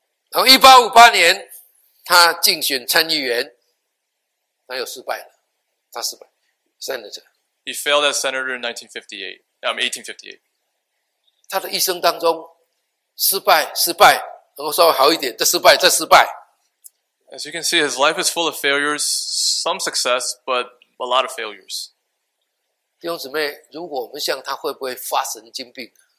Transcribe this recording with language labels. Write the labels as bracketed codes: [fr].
[zh] 然后1858年，他竞选参议员，他又失败了，他失败 ，senator。 [en] He failed as senator in 1858. [zh] 他的一生当中，失败，失败，然后稍微好一点，再失败，再失败。 [en] As you can see, his life is full of failures, some success, but a lot of failures. [zh] 弟兄姊妹，如果我们像他，会不会发神经病